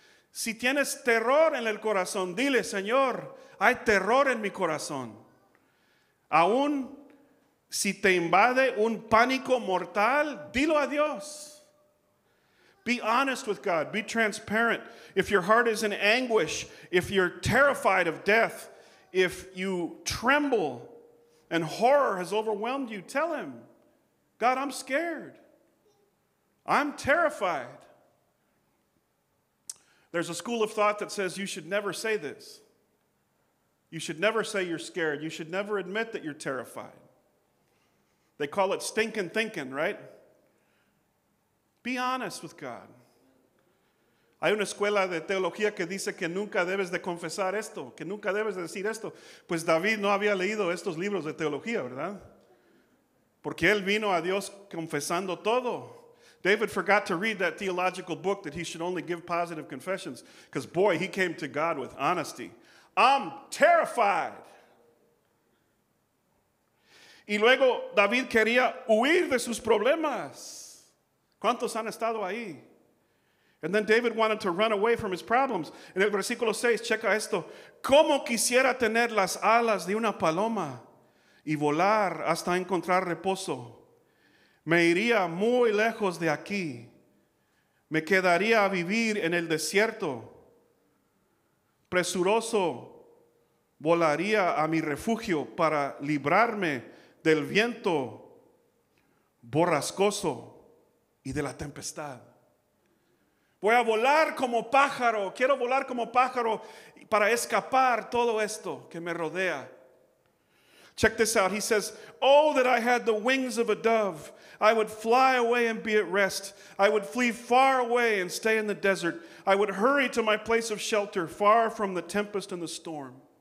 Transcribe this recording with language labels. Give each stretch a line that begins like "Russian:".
Spanish: Si tienes terror en el corazón, dile, Señor, hay terror en mi corazón. Aún si te invade un pánico mortal, dilo a Dios.
English: Be honest with God. Be transparent. If your heart is in anguish, if you're terrified of death, if you tremble and horror has overwhelmed you, tell him, God, I'm scared. I'm terrified. There's a school of thought that says you should never say this. You should never say you're scared. You should never admit that you're terrified. They call it stinking thinking, right? Be honest with God.
Spanish: Hay una escuela de teología que dice que nunca debes de confesar esto, que nunca debes de decir esto. Pues David no había leído estos libros de teología, ¿verdad? Porque él vino a Dios confesando todo.
English: David forgot to read that theological book that he should only give positive confessions. Because boy, he came to God with honesty. I'm terrified.
Spanish: Y luego David quería huir de sus problemas. ¿Cuántos han estado ahí?
English: And then David wanted to run away from his problems.
Spanish: En el versículo 6, checa esto. ¿Cómo quisiera tener las alas de una paloma y volar hasta encontrar reposo? Me iría muy lejos de aquí. Me quedaría a vivir en el desierto. Presuroso volaría a mi refugio para librarme del viento borrascoso y de la tempestad. Voy a volar como pájaro. Quiero volar como pájaro para escapar todo esto que me rodea.
English: Check this out. He says, oh, that I had the wings of a dove. I would fly away and be at rest. I would flee far away and stay in the desert. I would hurry to my place of shelter, far from the tempest and the storm.